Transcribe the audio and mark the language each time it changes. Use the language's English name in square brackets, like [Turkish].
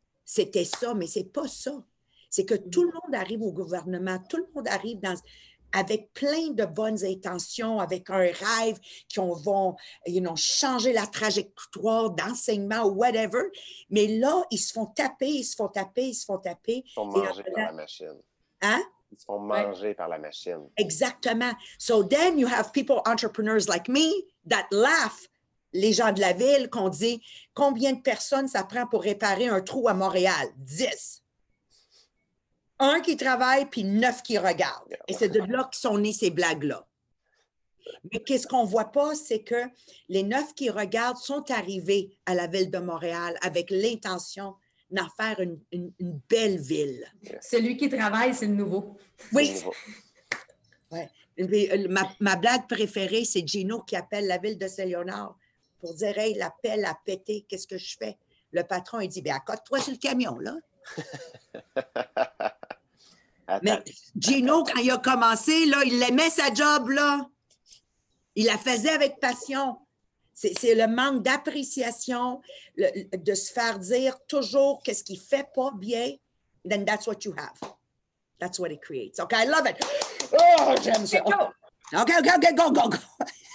[French] c'était ça, mais c'est pas ça. C'est que tout le monde arrive au gouvernement, tout le monde arrive dans, avec plein de bonnes intentions, avec un rêve qu'on va changer la trajectoire d'enseignement ou whatever, mais là, ils se font taper, ils se font taper, ils se font taper. Ils se font manger par la machine. Hein? Ils se font manger par la machine. Exactement. [English] So then you have people, entrepreneurs like me, that laugh. [French] Les gens de la ville qu'on dit, combien de personnes ça prend pour réparer un trou à Montréal? 10. Un qui travaille, puis 9 qui regardent. Et c'est de là que sont nées ces blagues-là. Mais qu'est-ce qu'on ne voit pas, c'est que les 9 qui regardent sont arrivés à la ville de Montréal avec l'intention d'en faire une belle ville. Celui qui travaille, c'est le nouveau. Oui. Ouais. Ma blague préférée, c'est Gino qui appelle la ville de Saint-Léonard pour dire « Hey, l'appel a pété, qu'est-ce que je fais? » Le patron, il dit « Bien, accote-toi sur le camion, là. » Mais Gino, quand il a commencé, là, il aimait sa job, là. Il la faisait avec passion. C'est le manque d'appréciation, de se faire dire toujours qu'est-ce qu'il fait pas bien. [English] Then that's what you have. That's what it creates. Okay, I love it. [French] Oh, j'aime ça. [English] Okay, go, go, go, go.